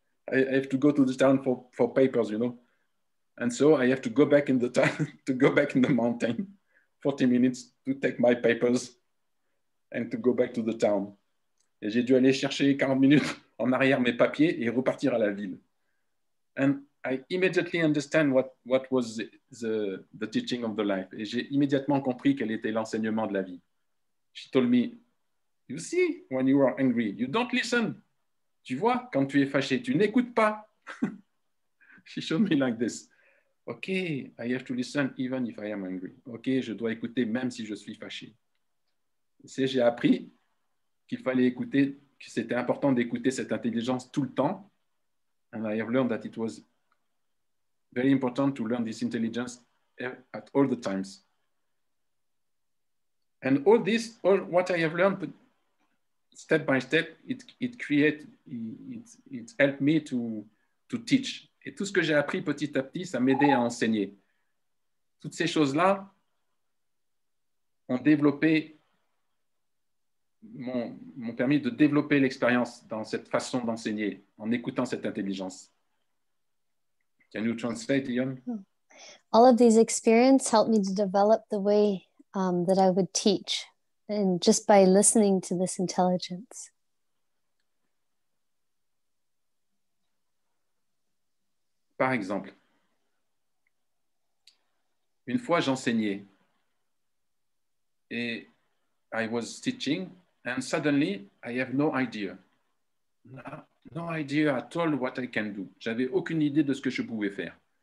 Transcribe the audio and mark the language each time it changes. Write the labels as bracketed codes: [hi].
[en] I have to go to the town for papers, you know. And so I have to go back in the town, to go back in the mountain, 40 minutes to take my papers and to go back to the town. [fr] Et j'ai dû aller chercher 40 minutes en arrière mes papiers et repartir à la ville. [en] And I immediately understand what was the teaching of the life. [fr] Et j'ai immédiatement compris quel était l'enseignement de la vie. [en] She told me, you see, when you are angry, you don't listen. [fr] Tu vois, quand tu es fâché, tu n'écoutes pas. [en] She showed me like this. Okay, I have to listen even if I am angry. [fr] Okay, je dois écouter même si je suis fâché. C'est, j'ai appris qu'il fallait écouter, que c'était important d'écouter cette intelligence tout le temps. [en] And I have learned that it was very important to learn this intelligence at all the times. And all this, all what I have learned, step by step, it helped me to teach. [fr] Et tout ce que j'ai appris petit à petit, ça m'aidait à enseigner. Toutes ces choses-là ont développé, m'ont permis de développer l'expérience dans cette façon d'enseigner, en écoutant cette intelligence. [en] Can you translate, Ian? All of these experiences helped me to develop the way that I would teach, and just by listening to this intelligence. [fr] Par exemple, une fois j'enseignais et [en] I was teaching and suddenly I have no idea. No idea at all what I can do. [fr] J'avais aucune idée de ce que je pouvais faire.